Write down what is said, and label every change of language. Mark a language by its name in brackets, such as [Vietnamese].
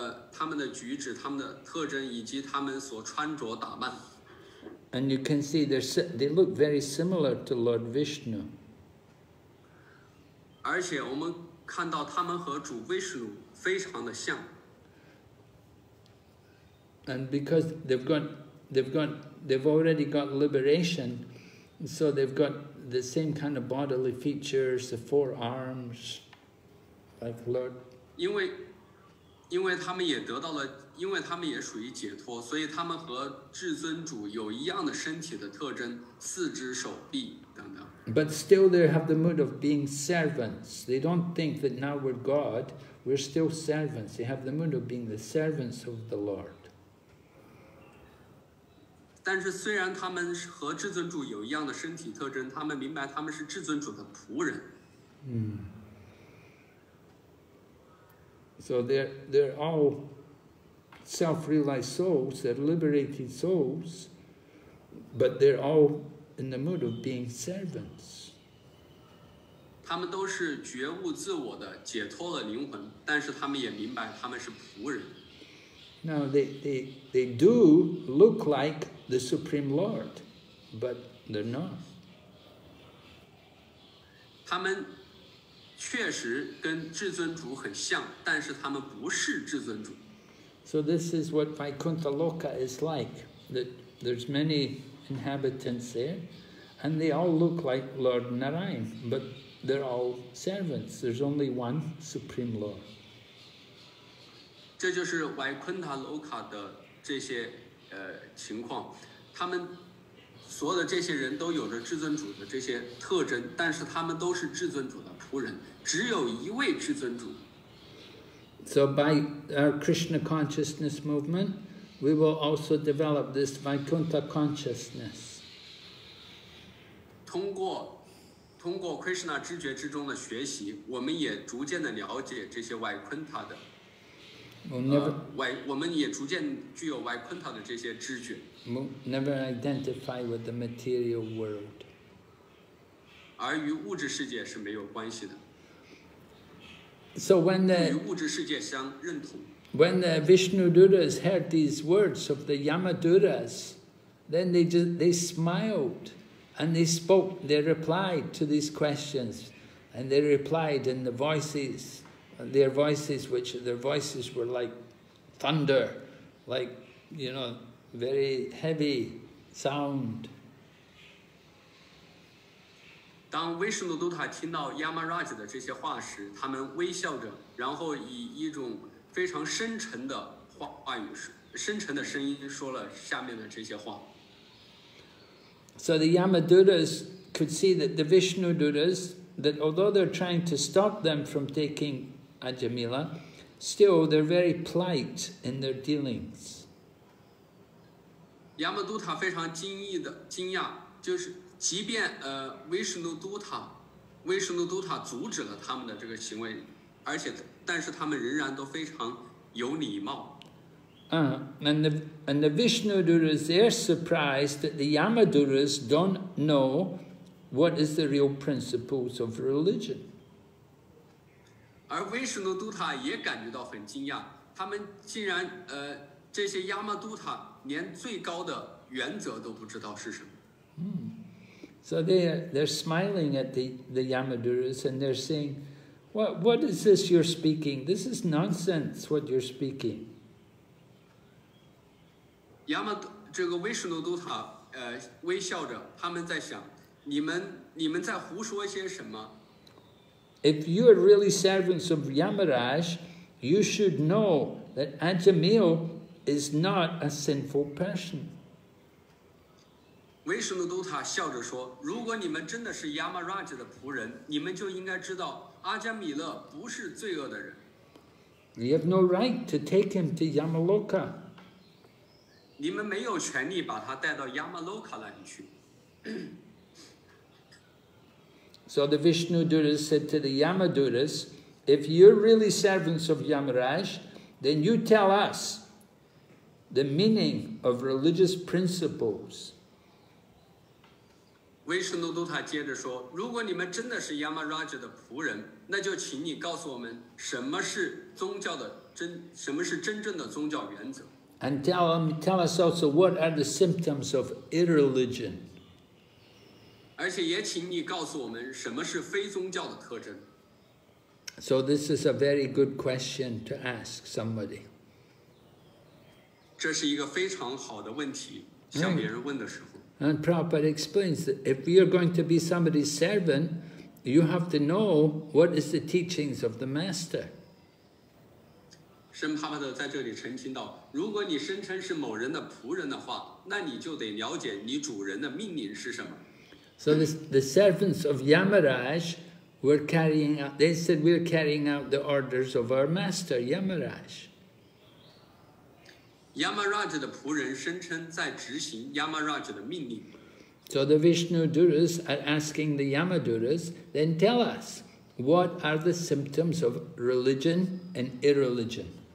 [Chinese] 他们的举止，他们的特征，以及他们所穿着打扮。 [English] And you can see they look very similar to Lord Vishnu. [Chinese] 而且我们看到他们和主维斯努非常的像。 [English] And because they've already got liberation, so they've got the same kind of bodily features, the four arms, like Lord. [Chinese] 因为他们也得到了，因为他们也属于解脱，所以他们和至尊主有一样的身体的特征，四肢、手臂等等。 [English] But still, they have the mood of being servants. They don't think that now we're God. We're still servants. They have the mood of being the servants of the Lord. [Chinese] 但是虽然他们和至尊主有一样的身体特征，他们明白他们是至尊主的仆人。 [English] So they're all self-realized souls, they're liberated souls, but they're all in the mood of being servants. [Chinese] 他们都是觉悟自我的，解脱了灵魂，但是他们也明白他们是仆人。 [English] Now they do look like the Supreme Lord, but they're not. [Chinese] 他们确实跟至尊主很像，但是他们不是至尊主。 [English] So this is what Vaikuntha Loka is like. That there's many inhabitants there, and they all look like Lord Narayan, but they're all servants. There's only one Supreme Lord. [Chinese] 这就是 Vaikuntha Loka 的这些情况，他们所有的这些人都有着至尊主的这些特征，但是他们都是至尊主的仆人。只有一位至尊主。 [English] So by our Krishna consciousness movement, we will also develop this Vaikuntha consciousness. [Chinese] 通过 Krishna 知觉之中的学习，我们也逐渐的了解这些 Vaikuntha 的。我们也逐渐具有 Vaikuntha 的这些知觉。 [English] Never identify with the material world. [Chinese] 而与物质世界是没有关系的。 [English] So when the Vishnu Duras heard these words of the Yamaduras, then they smiled and they spoke, they replied to these questions, and they replied in the voices, their voices, which their voices were like thunder, like, you know, very heavy sound. [Chinese] 当维什努杜塔听到亚玛拉吉的这些话时，他们微笑着，然后以一种非常深沉的话语、深沉的声音说了下面的这些话。 [English] So the Yamadutas could see that the Vishnu Dutas, that although they're trying to stop them from taking Ajamila, still they're very polite in their dealings. [Chinese] Yamadutta 非常惊讶，就是。即便维什努都塔阻止了他们的这个行为，而且但是他们仍然都非常有礼貌。 [English] And the Vishnu Duras, they're surprised that the Yamaduras don't know what is the real principles of religion. [Chinese] 而维什诺都塔也感觉到很惊讶，他们竟然这些亚玛都塔连最高的原则都不知道是什么。 [English] So they're smiling at the Yamadurus and they're saying, what is this you're speaking? This is nonsense what you're speaking. [Chinese] Yama 这个维什诺都塔微笑着，他们在想，你们在胡说些什么？ [English] If you are really servants of Yamaraj, you should know that Ajameel is not a sinful person. [Chinese] Vishnu Dutta 笑着说，如果你们真的是 Yamaraj 的仆人，你们就应该知道阿迦米勒不是罪恶的人。 [English] You have no right to take him to Yamaloka. [Chinese] 你们没有权利把他带到 Yamaloka 那里去。 [English] So the Vishnu Duras said to the Yamaduras, if you're really servants of Yamaraj, then you tell us the meaning of religious principles. [Chinese] Vishnu Dutta 接着说，如果你们真的是 Yamaraj 的仆人，那就请你告诉我们什么是真正的宗教原则。 [English] And tell us also what are the symptoms of irreligion. [Chinese] 而且也请你告诉我们什么是非宗教的特征。 [English] So this is a very good question to ask somebody. [Chinese] 这是一个非常好的问题，向别人问的时候。 [English] And Prabhupada explains that if you are going to be somebody's servant, you have to know what is the teachings of the master. [Chinese] 圣帕帕特在这里澄清到，如果你声称是某人的仆人的话，那你就得了解你主人的命令是什么。 [English] So the servants of Yamaraj were carrying out, they said, we're carrying out the orders of our master, Yamaraj. [Chinese] Yamaraj 的仆人声称在执行 Yamaraj 的命令。 [English] So the Vishnu Duras are asking the Yamaduras, then tell us, what are the symptoms of religion and irreligion?